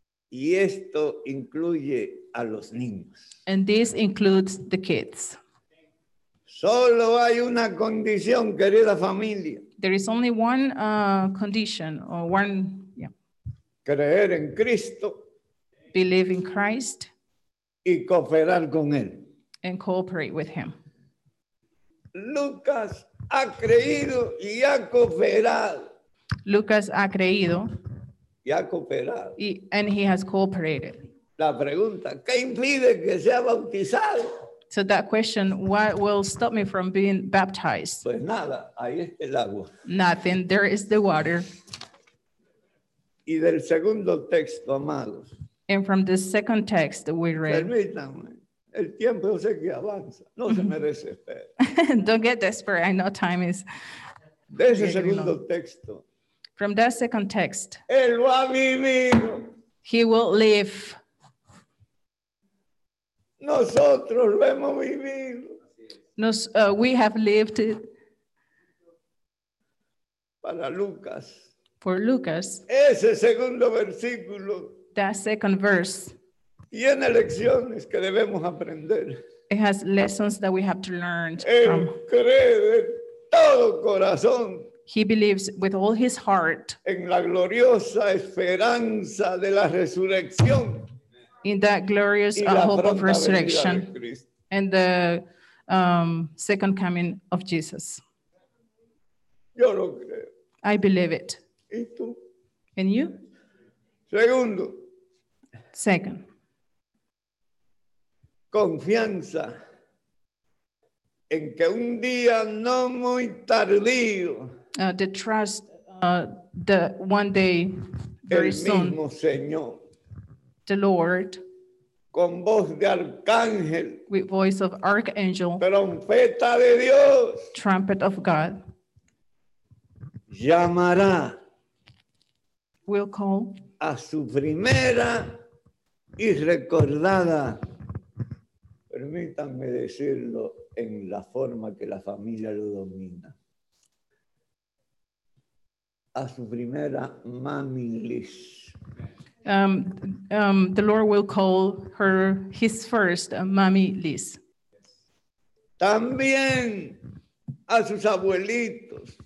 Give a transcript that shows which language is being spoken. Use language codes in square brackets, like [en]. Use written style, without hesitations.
[es] Y esto incluye a los niños. [en] And this includes the kids. [es] Solo hay una condición, querida familia. [en] There is only one condition, or one, yeah. [es] Creer en Cristo. [en] Believe in Christ. [es] Y cooperar con él. [en] And cooperate with him. [es] Lucas ha creído y ha cooperado. Lucas ha creído. Y ha cooperado. [en] And he has cooperated. [es] La pregunta, ¿qué impide que sea bautizado? [en] So that question, what will stop me from being baptized? [es] Pues nada, ahí es el agua. [en] Nothing, there is the water. [es] Y del segundo texto, amados. [en] And from the second text that we read. [es] Permítanme, el tiempo sé que avanza, no se me desespera. [en] Don't get desperate, I know time is. [es] De ese segundo texto. [en] From that second text. [es] Él va a vivir. [en] He will live. [es] Nosotros lo hemos vivido. [en] We have lived it. [es] Para Lucas. [en] For Lucas. [es] Ese segundo versículo. [en] That second verse. [es] Tiene lecciones que debemos aprender. [en] It has lessons that we have to learn. [es] Él cree de todo corazón. [en] He believes with all his heart. [es] En la gloriosa esperanza de la resurrección. [en] In that glorious hope of resurrection and the second coming of Jesus. [es] Yo lo creo. [en] I believe it. [es] ¿Y tú? [en] And you? [es] Segundo. [en] Second. [es] Confianza en que un día no muy tardío. [en] The trust the one day very [es] el [en] soon. [es] Mismo Señor. [en] The Lord. [es] Con voz de arcángel. [en] With voice of archangel. [es] Trompeta de Dios. [en] Trumpet of God. [es] Llamará. [en] Will call. [es] A su primera y recordada. Permítanme decirlo en la forma que la familia lo domina. A su primera mami Liz. [en] The Lord will call her his first mommy Liz. [es] También a sus abuelitos.